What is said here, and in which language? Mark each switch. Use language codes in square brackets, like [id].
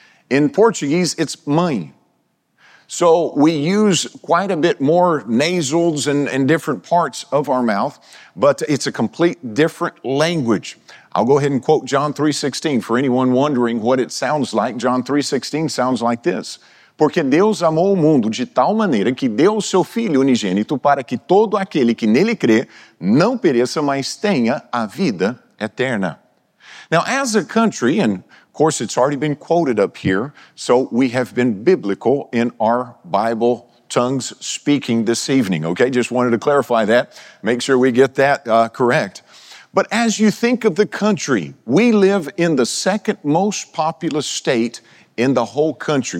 [en] In Portuguese, it's mãe. So we use quite a bit more nasals and different parts of our mouth, but it's a complete different language. I'll go ahead and quote John 3:16 for anyone wondering what it sounds like. John 3:16 sounds like this. [pt] Porque Deus amou o mundo de tal maneira que deu o seu Filho unigênito para que todo aquele que nele crê não pereça, mas tenha a vida eterna. [en] Now, as a country, and of course, it's already been quoted up here, so we have been biblical in our Bible tongues speaking this evening, okay? Just wanted to clarify that, make sure we get that correct. But as you think of the country, we live in the second most populous state in the whole country.